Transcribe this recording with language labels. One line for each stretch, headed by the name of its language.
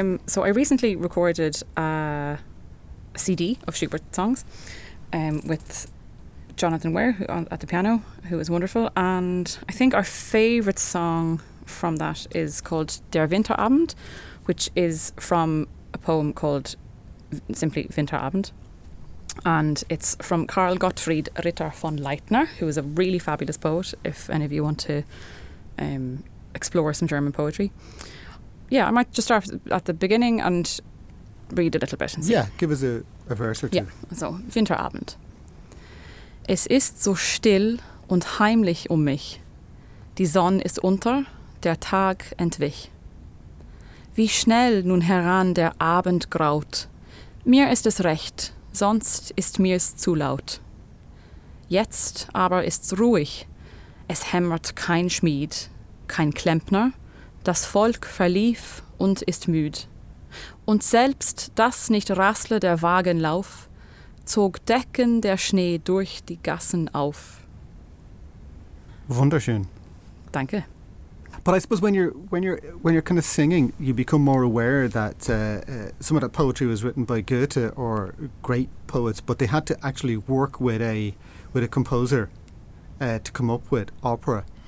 English: So I recently recorded a CD of Schubert songs with Jonathan Ware at the piano, who is wonderful, and I think our favourite song from that is called Der Winterabend, which is from a poem called simply Winterabend, and it's from Karl Gottfried Ritter von Leitner, who is a really fabulous poet, if any of you want to explore some German poetry. Yeah, I might just start at the beginning and read a little bit and see. Yeah, give us a verse or two. Yeah, so Winterabend.
German: Es ist so still und heimlich um mich. Die Sonne ist unter, der Tag entwich. Wie schnell nun heran der Abend graut. Mir ist es recht, sonst ist mir's zu laut. Jetzt aber ist's ruhig. Es hämmert kein Schmied, kein Klempner. Das Volk verlief und ist müd. Und selbst das nicht rassle der Wagenlauf, zog Decken der Schnee durch die Gassen auf. Wunderschön. Danke.
English: But I suppose when you're kind of singing, you become more aware that some of that poetry was written by Goethe or great poets, but they had to actually work with a composer to come up with opera.